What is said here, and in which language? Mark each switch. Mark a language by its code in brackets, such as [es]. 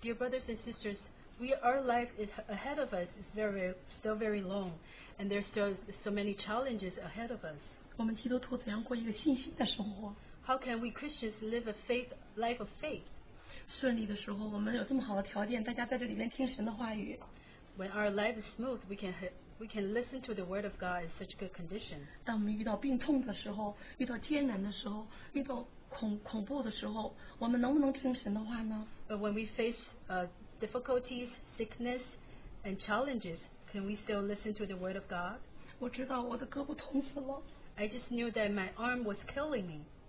[en] dear brothers and sisters, we our life is ahead of us is still very long, and there's still so many challenges ahead of us. [zh] 我们基督徒怎样过一个信心的生活？ [en] How can we Christians live a faith life of faith? [zh] 顺利的时候，我们有这么好的条件，大家在这里面听神的话语。 [en] When our life is smooth, we can listen to the word of God in such good condition. [zh] 当我们遇到病痛的时候，遇到艰难的时候，遇到恐怖的时候，我们能不能听神的话呢？ [en] But when we face difficulties, sickness, and challenges, can we still listen to the word of God? [zh] 我知道我的胳膊痛死了。 [en] I just knew that my arm was killing me.